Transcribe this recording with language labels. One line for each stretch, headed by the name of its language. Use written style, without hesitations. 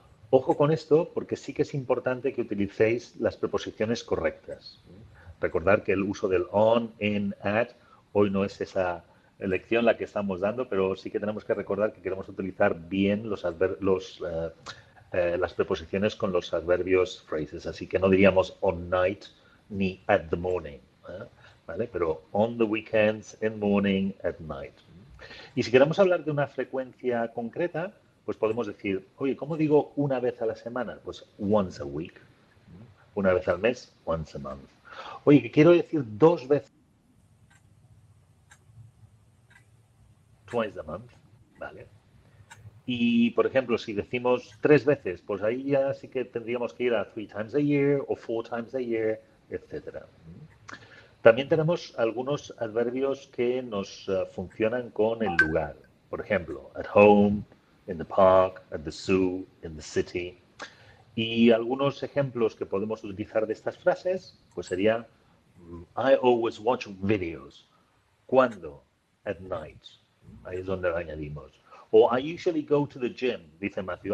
Spanish: Ojo con esto, porque sí que es importante que utilicéis las preposiciones correctas. Recordar que el uso del on, in, at, hoy no es esa lección la que estamos dando, pero sí que tenemos que recordar que queremos utilizar bien las preposiciones con los adverbios phrases. Así que no diríamos
English: on night
Spanish: ni
English: at the morning,
Spanish: ¿vale?
English: Pero on the weekends, in morning, at night.
Spanish: Y si queremos hablar de una frecuencia concreta, pues podemos decir, oye, ¿cómo digo una vez a la semana?
English: Pues once a week.
Spanish: Una vez al mes,
English: once a month.
Spanish: Oye, que quiero decir dos veces.
English: Twice a month, ¿vale?
Spanish: Y, por ejemplo, si decimos tres veces, pues ahí ya sí que tendríamos que ir a
English: three times a year
Spanish: o
English: four times a year,
Spanish: etc. También tenemos algunos adverbios que nos funcionan con el lugar.
English: Por ejemplo, at home, in the park, at the zoo, in the city.
Spanish: Y algunos ejemplos que podemos utilizar de estas frases, pues sería
English: I always watch videos.
Spanish: ¿Cuándo?
English: At night.
Spanish: Ahí es donde lo añadimos.
English: O I usually go to the gym, dice Matthew.